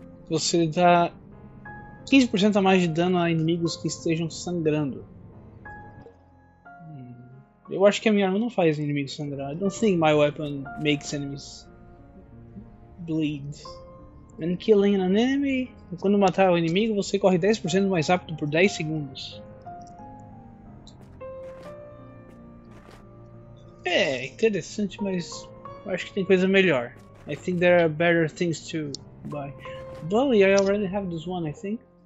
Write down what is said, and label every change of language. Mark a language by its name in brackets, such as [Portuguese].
[Portuguese] Você dá 15% a mais de dano a inimigos que estejam sangrando. Eu acho que a minha arma não faz inimigos sangrar. [English] I don't think my weapon makes enemies bleed. And killing an enemy, [Portuguese] quando matar o inimigo, você corre 10% mais rápido por 10 segundos. É, interessante, mas eu acho que tem coisa melhor. [English] I think there are better things to buy. Bully, I already have this one, I think.